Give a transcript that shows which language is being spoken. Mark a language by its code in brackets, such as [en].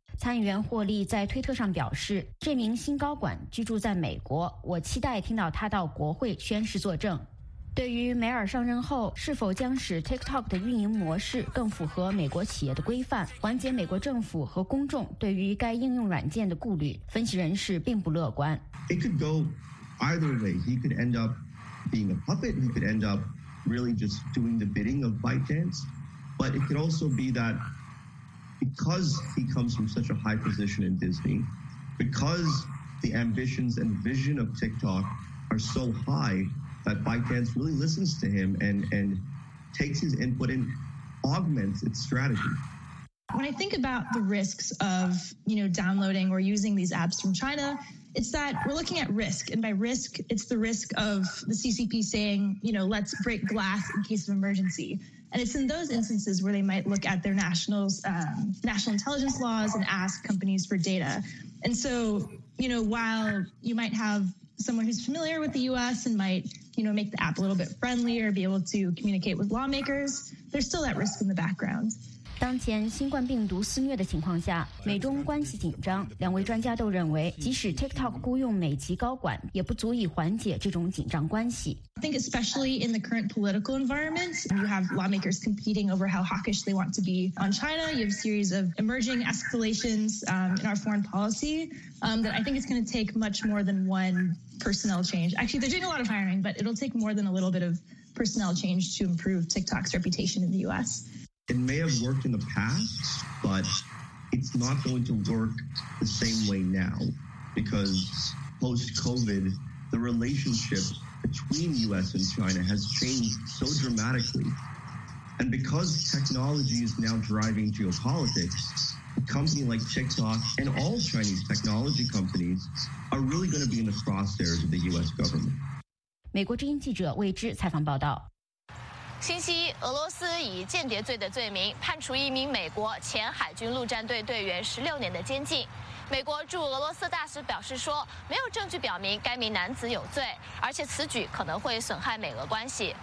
[zh] 参议员霍利在推特上表示，这名新高管居住在美国，我期待听到他到国会宣誓作证。对于梅尔上任后是否将使 TikTok 的运营模式更符合美国企业的规范，缓解美国政府和公众对于该应用软件的顾虑，分析人士并不乐观。 [en] It could go either way. He could end up being a puppet. He could end up really just doing the bidding of ByteDance. But it could also be that because he comes from such a high position in Disney, because the ambitions and vision of TikTok are so highThat ByteDance really listens to him and takes his input and augments its strategy. When I think about the risks of, you know, downloading or using these apps from China, it's that we're looking at risk. And by risk, it's the risk of the CCP saying, you know, let's break glass in case of emergency. And it's in those instances where they might look at their national intelligence laws and ask companies for data. And so, you know, while you might have someone who's familiar with the U.S. and might, you know, make the app a little bit friendlier, be able to communicate with lawmakers, there's still that risk in the background. [zh] 当前新冠病毒肆虐的情况下，美中关系紧张，两位专家都认为，即使 TikTok 雇佣美籍高管，也不足以缓解这种紧张关系。 [en] I think especially in the current political environment, you have lawmakers competing over how hawkish they want to be on China. You have a series of emerging escalations, in our foreign policy, that I think it's going to take much more than one personnel change. Actually, they're doing a lot of hiring, but it'll take more than a little bit of personnel change to improve TikTok's reputation in the U.S. It may have worked in the past, but it's not going to work the same way now because post-COVID, the relationship between U.S. and China has changed so dramatically. And because technology is now driving geopolitics, a company like TikTok and all Chinese technology companies are really going to be in the crosshairs of the U.S. government. [zh] 美国之音记者魏之采访报道。星期一，俄罗斯以间谍罪的罪名判处一名美国前海军陆战队队员16年的监禁。美国驻俄罗斯大使表示说，没有证据表明该名男子有罪，而且此举可能会损害美俄关系。